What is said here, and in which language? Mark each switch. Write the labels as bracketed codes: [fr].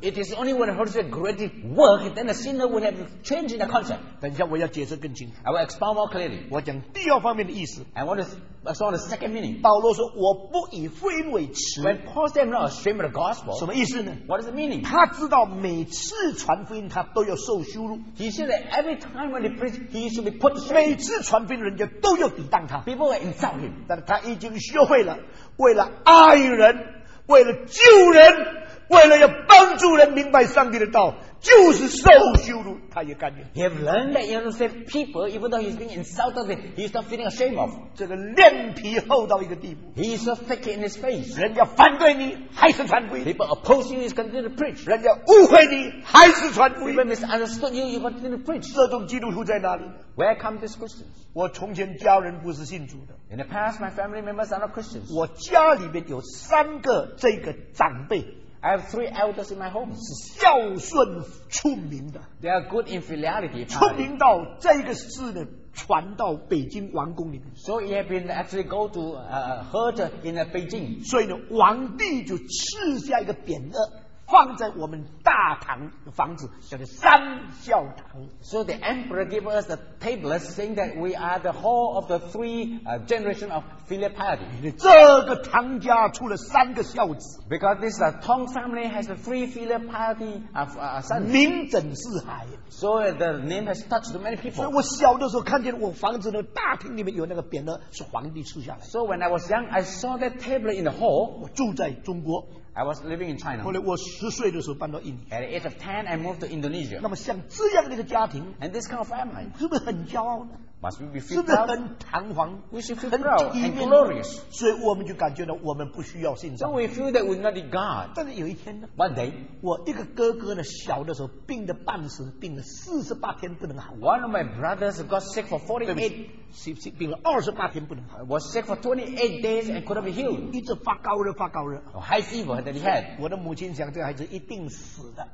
[en] It is only when the Holy Spirit greatly works, then the sinner will have changed the concept. [zh] 等一下我要解释更清楚。 [en] I will expound more clearly. [zh] 我讲第二方面的意思。 [en] I want to expound the second meaning. [zh] 保罗说我不以福音为耻。 [en] When Paul said I'm not ashamed of the gospel, [zh] 什么意思呢? [en] What is the meaning? [zh] 他知道每次传福音他都要受羞辱。 [en] He said that every time when he preached, he should be put to shame. [zh] 每次传福音人家都要抵挡他。 [en] People will insult him. [zh] 但他已经学会了为了爱人, 为了救人, 为了要帮助人明白上帝的道, 就是受羞辱, 他也甘愿。 [en] He have learned that in order to save people, even though he's being insulted, he's not feeling ashamed of. [zh] 这个脸皮厚到一个地步。 [en] He is so thick in his face. [zh] 人家反对你, 还是传福音。 [en] People oppose you, he's continuing to preach. [zh] 人家误会你, 还是传福音。 [en] People misunderstood you, you continue to preach. [zh] 这种基督徒在哪里? [en] Where come these Christians? [zh] 我从前家人不是信主的。 [en] In the past, my family members are not Christians. [zh] 我家里面有三个这个长辈。 [en] I have three elders in my home. [zh] 孝顺出名的。 [en] They are good in filiality. [zh] 出名到这个事呢, 传到北京王宫里面。 [en] So he had been actually go to heard in Beijing. [zh] 所以呢, 王帝就赐下一个匾额, 放在我们大堂的房子, 叫做三孝堂。 [en] So the emperor gave us the tablet saying that we are the whole of the three generation of filial piety. [zh] 这个唐家出了三个孝子。 [en] Because this Tong family has the three filial piety of sons. [zh] 名震四海。 [en] So the name has touched many people. [zh] 所以我小的时候看见我房子的大厅里面有那个匾额, 是皇帝赐下来。 [en] So when I was young, I saw that tablet in the hall. [zh] 我住在中国。 [en] I was living in China. [zh] 后来我10岁的时候搬到印尼。 [en] At the age of 10, I moved to Indonesia. [zh] 那么像这样的一个家庭, [en] and this kind of family, [zh] 是不是很骄傲呢? [en] must we be filled up? [zh] 是的，很堂皇, [en] we should feel proud and glorious. [zh] 所以我们就感觉到我们不需要信仰。 [en] So we feel that we're not the God. [zh] 但是有一天呢, [en] One day, [zh] 我一个哥哥呢, 小的时候, 病得半死, 病了48天不能好。 [en] One of my brothers got sick for 48 [zh] days. 病了28天不能好。 [en] Was sick for 28 days and couldn't be healed. [zh] 一直发高热。 [en] Oh, high fever that he had. [zh] 我的母亲想这个孩子一定死的。